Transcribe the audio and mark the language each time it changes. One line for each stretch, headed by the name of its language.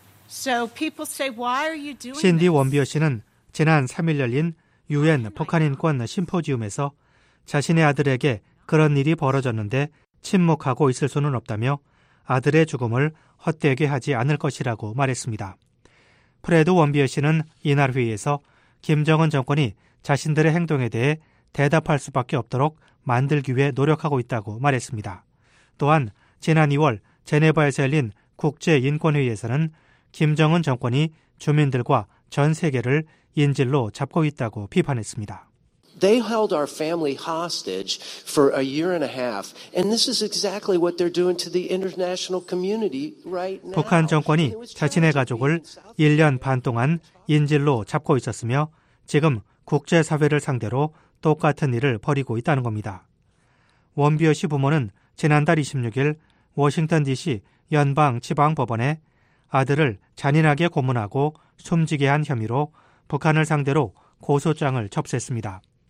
English: So people say, why are you doing this?
Korean: 신디 원비어 씨는 지난 3일 열린 UN 북한인권 심포지움에서 자신의 아들에게 그런 일이 벌어졌는데 침묵하고 있을 수는 없다며 아들의 죽음을 헛되게 하지 않을 것이라고 말했습니다. 프레드 원비어 씨는 이날 회의에서 김정은 정권이 자신들의 행동에 대해 대답할 수밖에 없도록 만들기 위해 노력하고 있다고 말했습니다. 또한 지난 2월 제네바에서 열린 국제인권회의에서는 김정은 정권이 주민들과 전 세계를 인질로 잡고 있다고 비판했습니다.
English: They held our family hostage for a year and a half, and this is exactly what they're doing to the international community right now.
Korean: 북한 정권이 자신의 가족을 1년 반 동안 인질로 잡고 있었으며 지금 국제사회를 상대로 똑같은 일을 벌이고 있다는 겁니다. 원비어 씨 부모는 지난달 26일 워싱턴 DC 연방지방법원에 아들을 잔인하게 고문하고 숨지게 한 혐의로 북한을 상대로 고소장을 접수했습니다.